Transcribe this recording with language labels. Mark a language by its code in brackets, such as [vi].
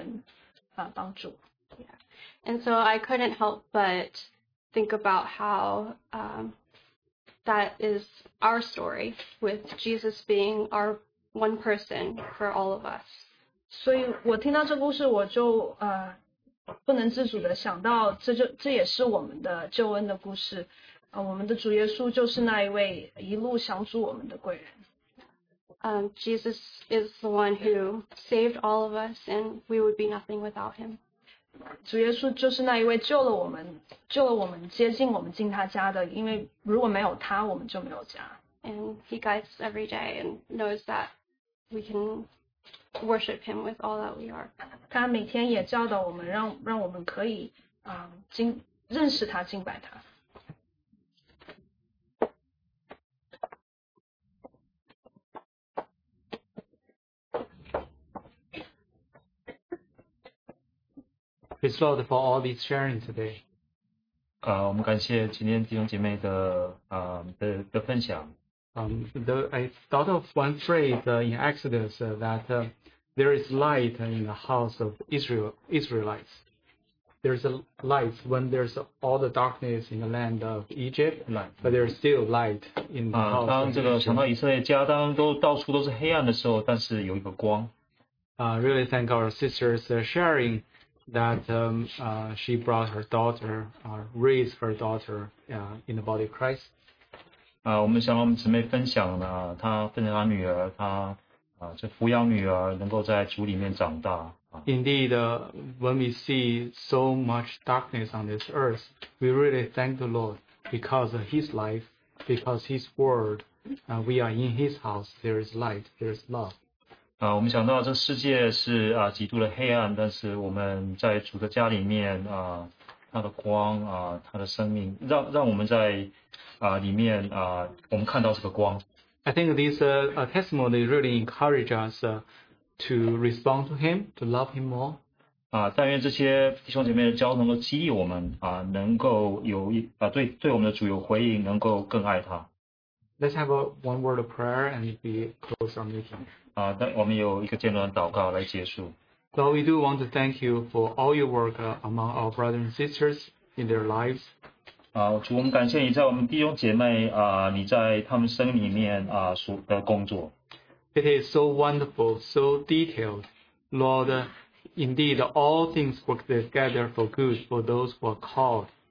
[zh] 所以现在Sarah她自己本身也非常重视去帮助年纪小的孩子们，因为她当时就是在那个位置被别人帮助。 [en] And so I couldn't help but think about how that is our story with Jesus being our one person for all of us. [zh] 所以我听到这故事我就 不能自主的想到，这也是我们的救恩的故事。我们的主耶稣就是那一位一路相助我们的贵人。Jesus [en] is the one who saved all of us, and we would be nothing without him. [zh] 主耶稣就是那一位救了我们，接近我们进他家的，因为如果没有他，我们就没有家。 [en] And he guides every day and knows that we can worship him with all that we are. [zh] 他每天也教导我们，让我们可以认识他，敬拜他。 [en] Praise the Lord for all these sharing today. [zh] 我们感谢今天弟兄姐妹的分享。 [en] I thought of one phrase in Exodus that there is light in the house of Israelites. There is a light when there is all the darkness in the land of Egypt, but there is still light in the house. [zh] 当这个想到以色列家，当都到处都是黑暗的时候，但是有一个光。 [en] Really thank our sisters sharing that she brought her daughter, raised her daughter in the body of Christ. [zh] 我们想到我们姊妹分享了，她分享她女儿，她这抚养女儿能够在主里面长大。 [en] Indeed, when we see so much darkness on this earth, we really thank the Lord because of His life, because His word, We are in His house. There is light. There is love. [zh] 我们想到这世界是极度的黑暗，但是我们在主的家里面他的光他的生命，让我们在里面我们看到这个光。 [en] I think this testimony really encourages us to respond to Him, to love Him more. [zh] 但愿这些弟兄姐妹的交通都激励我们能够有对我们的主有回应，能够更爱他。 [en] Let's have one word of prayer and be close our meeting. [zh] 我们有一个简短的祷告来结束。 [en] Lord, we do want to thank you for all your work among our brothers and sisters in their lives. [zh] 主，我们感谢你在我们弟兄姐妹你在他们生命里面所的工作。 [en] It is so wonderful, so detailed. Lord, indeed, all things work together for good for those who are called.